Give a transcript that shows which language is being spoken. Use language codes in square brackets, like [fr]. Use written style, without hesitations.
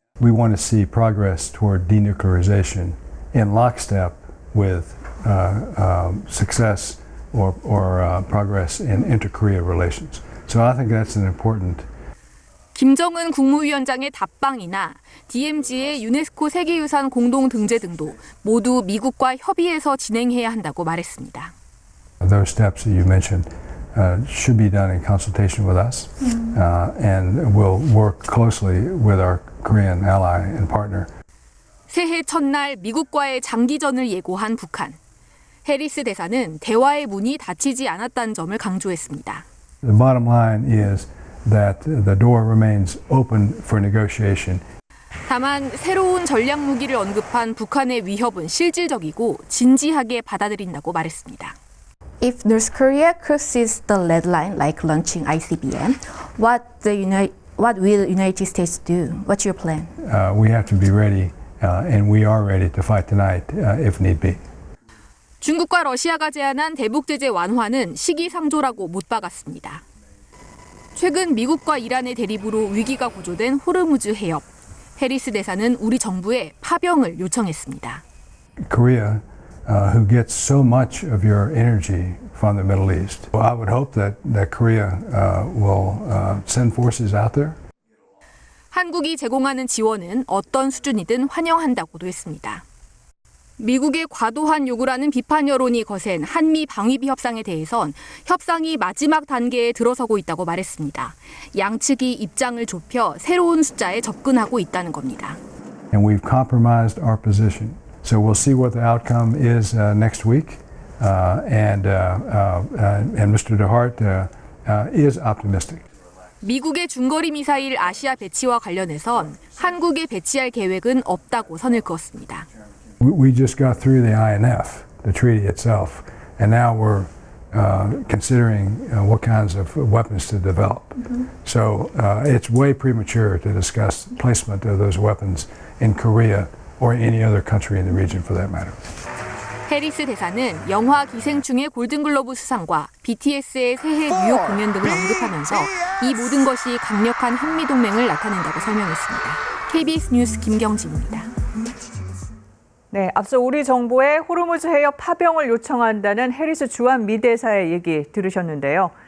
[en] We want to see progress toward denuclearization in lockstep with success or progress in inter-Korea relations. So I think that's an important. [ko] 김정은 국무위원장의 답방이나 DMZ의 유네스코 세계유산 공동 등재 등도 모두 미국과 협의해서 진행해야 한다고 말했습니다. [en] Those steps that you mentioned should be done in consultation with us, and we'll work closely with our Korean ally and partner. [ko] 새해 첫날 미국과의 장기전을 예고한 북한. 해리스 대사는 대화의 문이 닫히지 않았다는 점을 강조했습니다. [en] The bottom line is that the door remains open for negotiation. [ko] 다만 새로운 전략 무기를 언급한 북한의 위협은 실질적이고 진지하게 받아들인다고 말했습니다. [en] If North Korea crosses the red line like launching ICBM, what will United States do? What's your plan? We have to be ready and we are ready to fight tonight if need be. [ko] 중국과 러시아가 제안한 대북 제재 완화는 시기상조라고 못 박았습니다. 최근 미국과 이란의 대립으로 위기가 고조된 호르무즈 해협. 해리스 대사는 우리 정부에 파병을 요청했습니다. [en] Korea, who gets so much of your energy from the Middle East. I would hope that Korea will send forces out there. [ko] 한국이 제공하는 지원은 어떤 수준이든 환영한다고도 했습니다. 미국의 과도한 요구라는 비판 여론이 거센 한미 방위비 협상에 대해선 협상이 마지막 단계에 들어서고 있다고 말했습니다. 양측이 입장을 좁혀 새로운 숫자에 접근하고 있다는 겁니다. [en] And we've compromised our position. So we'll see what the outcome is next week. Mr. DeHart is optimistic. [ko] 미국의 중거리 미사일 아시아 배치와 관련해선 한국에 배치할 계획은 없다고 선을 그었습니다. [en] We just got through the INF, the treaty itself, and now we're considering what kinds of weapons to develop. So it's way premature to discuss placement of those weapons in Korea or any other country in the region for that matter. [ko] 해리스 대사는 영화 기생충의 골든글로브 수상과 BTS의 새해 뉴욕 공연 등을 언급하면서 이 모든 것이 강력한 한미동맹을 나타낸다고 설명했습니다. KBS 뉴스 김경진입니다. 네, 앞서 우리 정부에 호르무즈 해협 파병을 요청한다는 해리스 주한 미 대사의 얘기 들으셨는데요.